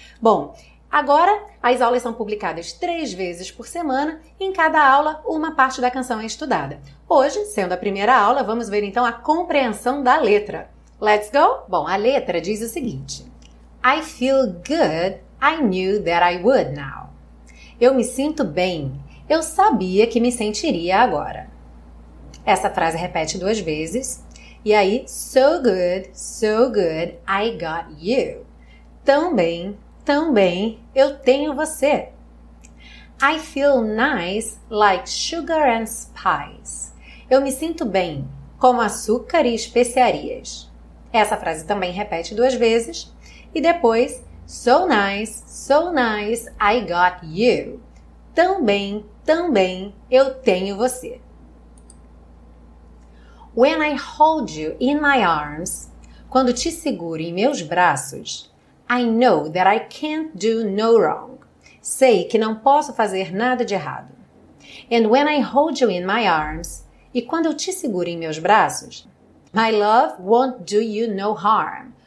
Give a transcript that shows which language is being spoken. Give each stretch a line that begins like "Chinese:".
Portuguese: Bom, agora, as aulas são publicadas 3 vezes por semana e em cada aula, uma parte da canção é estudada. Hoje, sendo a primeira aula, vamos ver então a compreensão da letra.
English: Let's go?
Portuguese: Bom, a letra diz o seguinte.
English: I feel good, I knew that I would now.
Portuguese: Eu me sinto bem, eu sabia que me sentiria agora. Essa frase repete 2 vezes. E aí,
English: so good, I got you.
Portuguese: Também... Também eu tenho você.
English: I feel nice like sugar and spice.
Portuguese: Eu me sinto bem, como açúcar e especiarias. Essa frase também repete 2 vezes.
English: E depois, so nice, I got you.
Portuguese: Também, também eu tenho você.
English: When I hold you in my arms,
Portuguese: quando te seguro em meus braços,
English: I know that I can't do no wrong.
Portuguese: Sei que não posso fazer nada de errado.
English: And when I hold you in my arms,
Portuguese: e quando eu te seguro em meus braços,
English: my love won't do you no harm.